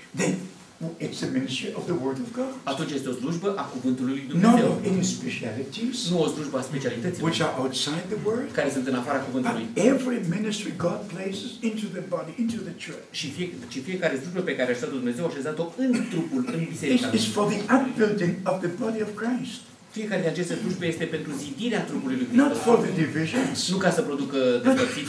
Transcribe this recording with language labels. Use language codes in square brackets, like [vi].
[en] Then it's a ministry of the word of God. [ro] Atunci este o slujbă a cuvântului lui Dumnezeu. [en] Not any specialities. [ro] Nu o slujbă a specialităților. [en] Which are outside the word. [ro] Care sunt în afara cuvântului. [en] Every ministry God places into the body, into the church. [ro] Și fiecare slujbă pe care a stat Dumnezeu a așezat-o în trupul, în biserică. [en] It's for the upbuilding of the body of Christ. [ro] Fiecare din aceste slujbe este pentru zidirea trupului lui [en] Hristos. Not for the divisions. [ro] Nu ca să producă despărțiri.